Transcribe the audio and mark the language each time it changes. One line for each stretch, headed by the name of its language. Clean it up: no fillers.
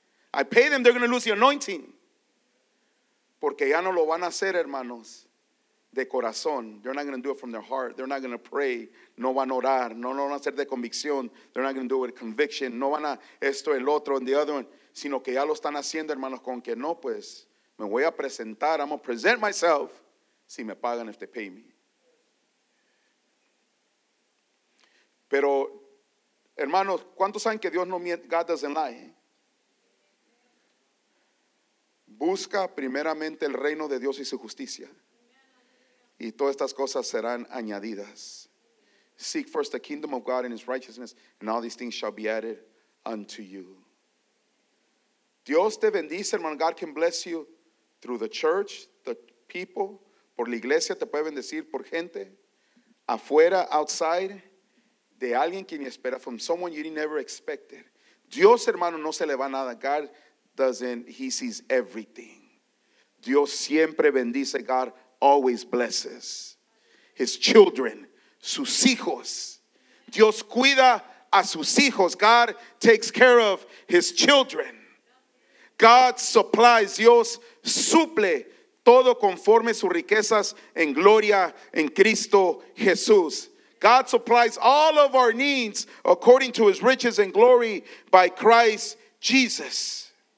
English: I pay them, they're going to lose the anointing.
Spanish: Porque ya no lo van a hacer, hermanos, de corazón.
English: They're not going to do it from their heart. They're not going to pray.
Spanish: No van a orar. No van a hacer de convicción.
English: They're not going to do it with conviction.
Spanish: No van a esto, el otro,
English: and the other one.
Spanish: Sino que ya lo están haciendo, hermanos, con que no, pues, me voy a presentar.
English: I'm going to present myself
Spanish: si me pagan,
English: if they pay me.
Spanish: Pero, hermanos, ¿cuántos saben que Dios no miente?
English: God doesn't lie.
Spanish: Busca primeramente el reino de Dios y su justicia, y todas estas cosas serán añadidas.
English: Seek first the kingdom of God and his righteousness, and all these things shall be added unto you.
Spanish: Dios te bendice, hermano.
English: God can bless you through the church, the people.
Spanish: Por la iglesia te puede bendecir, por gente afuera,
English: outside,
Spanish: de alguien que ni espera,
English: from someone you never expected.
Spanish: Dios, hermano, no se le va nada.
English: God doesn't, he sees everything.
Spanish: Dios siempre bendice.
English: God always blesses his children,
Spanish: sus hijos. Dios cuida a sus hijos.
English: God takes care of his children. God supplies.
Spanish: Dios suple todo conforme sus riquezas en gloria en Cristo Jesús.
English: God supplies all of our needs according to his riches and glory by Christ Jesus.